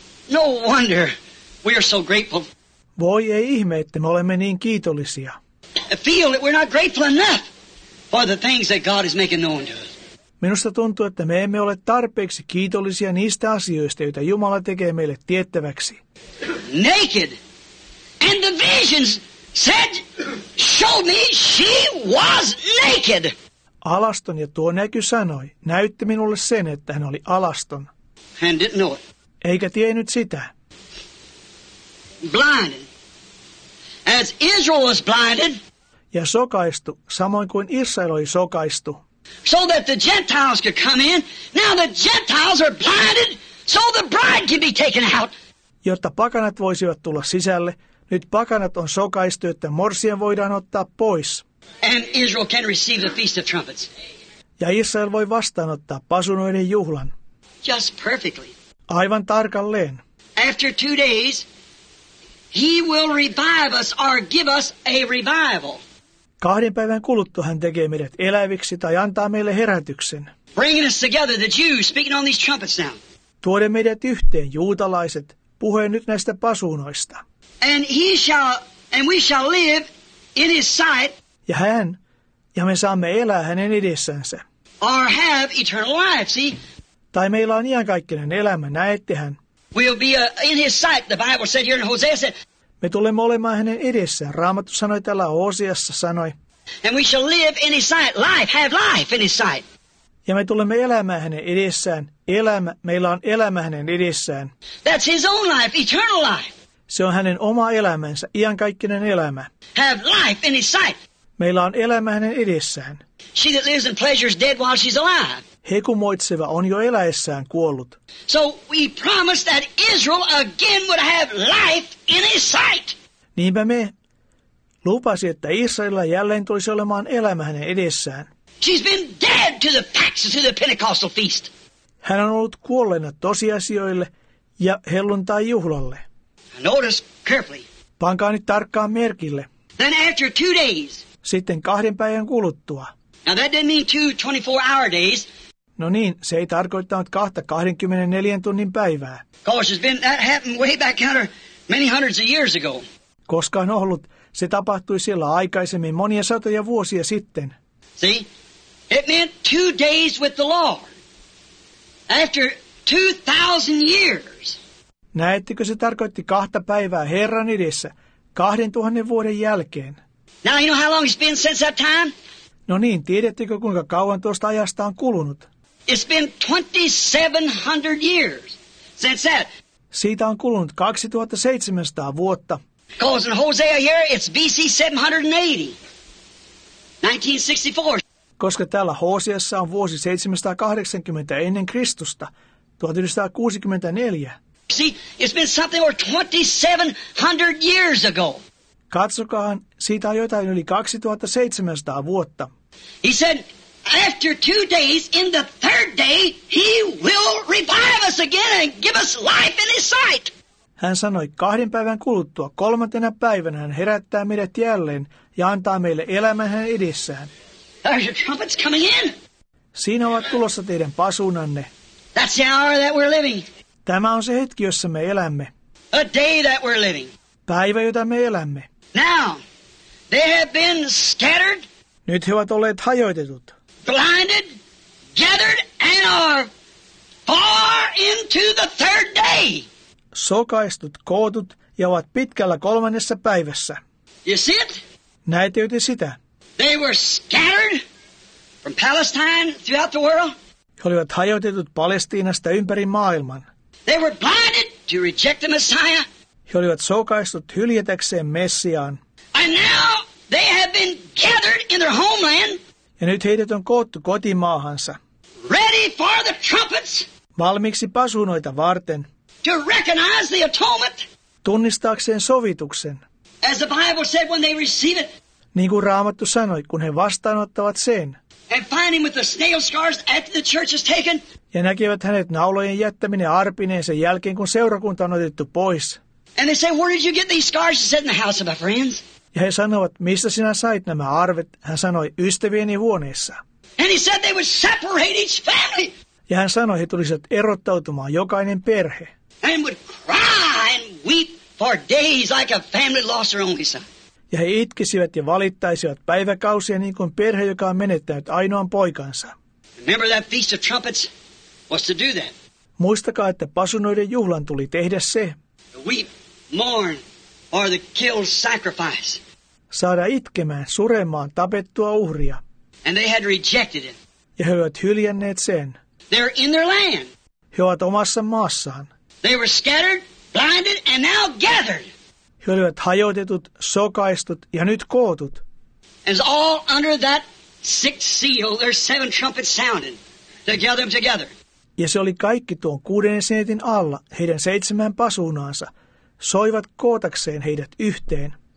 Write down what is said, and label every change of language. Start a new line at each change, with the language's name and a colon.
English: No wonder we are so grateful.
Finnish: Voi ei ihme, että me olemme niin kiitollisia.
English: I feel that we're not grateful enough for the things that God is making known to us.
Finnish: Minusta tuntuu, että me emme ole tarpeeksi kiitollisia niistä asioista, joita Jumala tekee meille tiettäväksi.
English: Naked. And the visions said, show me she was naked.
Finnish: Alaston, ja tuo näky sanoi, näytti minulle sen, että hän oli alaston.
English: And didn't know it.
Finnish: Eikä tiennyt sitä.
English: Blinded. As Israel was blinded.
Finnish: Ja sokaistu, samoin kuin Israel oli sokaistu.
English: So that the Gentiles could come in. Now the Gentiles are blinded, so the bride can be taken out.
Finnish: Jotta pakanat voisivat tulla sisälle, nyt pakanat on sokaistu, että morsian voidaan ottaa pois.
English: And Israel can receive the Feast of Trumpets.
Finnish: Ja Israel voi vastaanottaa pasunoiden juhlan.
English: Just perfectly.
Finnish: Aivan tarkalleen.
English: After 2 days, he will revive us or give us a revival.
Finnish: 2 päivän kuluttua hän tekee meidät eläviksi tai antaa meille herätyksen.
English: Bringing us together, the Jews speaking on these trumpets now.
Finnish: Tuoden meidät yhteen, juutalaiset, puheen nyt näistä pasuunoista.
English: And we shall live in his sight.
Finnish: Ja hän, ja me saamme elää hänen edessänsä.
English: Or have eternal life, see?
Finnish: Tai meillä on iankaikkinen elämä, näettehän.
English: We'll be in his sight, the Bible said here in Hosea said.
Finnish: Me tulemme olemaan hänen edessään. Raamattu sanoi tällä Hoseassa, sanoi.
English: And we shall live in his sight, life, have life in his sight.
Finnish: Ja me tulemme elämään hänen edessään. Elämä, meillä on elämä hänen edessään.
English: That's his own life, eternal life.
Finnish: Se on hänen oma elämänsä, iankaikkinen elämä.
English: Have life in his sight.
Finnish: Meillä on elämä hänen edessään.
English: She that lives in pleasure is dead while she's alive.
Finnish: Hekumoitseva on jo eläessään kuollut.
English: So we promised that Israel again would have life in his sight.
Finnish: Niinpä me lupasi, että Israelilla jälleen tulisi olemaan elämä hänen edessään.
English: She's been dead to the facts to the Pentecostal feast.
Finnish: Hän on ollut kuolleena tosiasioille ja helluntaijuhlalle.
English: Notice carefully.
Finnish: Pankaa nyt tarkkaan merkille.
English: Then after 2 days.
Finnish: Sitten 2 päivän kuluttua.
English: Now that didn't mean 2 24-hour days.
Finnish: No niin, se ei tarkoittanut 2 24-tunnin päivää.
English: Because it's been that happened way back under many hundreds of years ago.
Finnish: Koska on ollut, se tapahtui siellä aikaisemmin monia satoja vuosia sitten.
English: See, it meant 2 days with the Lord. After 2,000 years.
Finnish: Näettekö, se tarkoitti 2 päivää Herran edessä 2,000 vuoden jälkeen.
English: Now you know how long it's been since that time?
Finnish: No niin, tiedättekö kuinka kauan tuosta ajasta on kulunut?
English: It's been 2,700 years since that.
Finnish: Siitä on kulunut 2,700 vuotta.
English: Because in Hosea here, it's B.C. 780, 1964.
Finnish: Koska täällä Hoseassa on vuosi 780 ennen Kristusta, 1964.
English: See, it's been something over 2,700 years ago.
Finnish: Katsokaan, siitä on jotain yli 2,700 vuotta.
English: He said, after 2 days, in the 3rd day, he will revive us again and give us life in his sight.
Finnish: Hän sanoi, 2 päivän kuluttua, 3. päivänä hän herättää meidät jälleen ja antaa meille elämän hänen edessään.
English: Are your trumpets coming in?
Finnish: Siinä ovat tulossa teidän pasuunanne.
English: That's the hour that we're living.
Finnish: Tämä on se hetki, jossa me elämme.
English: A day that we're living.
Finnish: Päivä, jota me elämme.
English: Now, they have been scattered.
Finnish: Nyt he ovat olleet hajoitetut.
English: Blinded, gathered, and are far into the 3rd day.
Finnish: Sokaistut, kootut ja ovat pitkällä 3. päivässä.
English: You see it?
Finnish: Näettekö te sitä?
English: They were scattered from Palestine throughout the world.
Finnish: He olivat hajoitetut Palestiinasta ympäri maailman.
English: They were blinded to reject the Messiah.
Finnish: He olivat sokaistut hyljätäkseen Messiaan.
English: And now they have been gathered in their homeland.
Finnish: Ja nyt heidät on koottu kotimaahansa.
English: Ready for the trumpets.
Finnish: Valmiiksi pasunoita varten.
English: To recognize the atonement.
Finnish: Tunnistaakseen sovituksen.
English: As the Bible said when they receive it.
Finnish: Niin kuin Raamattu sanoi, kun he vastaanottavat sen.
English: And find him with the snail scars after the church is taken.
Finnish: Ja näkevät hänet naulojen jättäminen arpineen sen jälkeen, kun seurakunta on otettu pois.
English: And they say, where did you get these scars? He said, in the house of my friends.
Finnish: Ja he sanoivat, mistä sinä sait nämä arvet? Hän sanoi, ystävieni huoneessa.
English: And he said they would separate each family.
Finnish: Ja hän sanoi, he tulisivat erottautumaan jokainen perhe.
English: And would cry and weep for days like a family lost their only son.
Finnish: Ja he itkisivät ja valittaisivat päiväkausia niin kuin perhe, joka on menettänyt ainoan poikansa.
English: Remember that feast of trumpets was to do that.
Finnish: Muistakaa, että pasunoiden juhlan tuli tehdä se.
English: Weep, mourn, or the killed sacrifice.
Finnish: Saada itkemään, suremaan tapettua uhria.
English: And they had rejected it.
Finnish: Ja he ovat hyljänneet sen.
English: They're in their land.
Finnish: He ovat omassa maassaan.
English: They were scattered, blinded, and now gathered.
Finnish: He olivat hajotetut, sokaistut ja nyt kootut.
English: And all under that sixth seal, their seven trumpets sounded. They gathered them together.
Finnish: Ja se oli kaikki tuon kuuden seitin alla, heidän seitsemän pasuunaansa, soivat kootakseen heidät yhteen.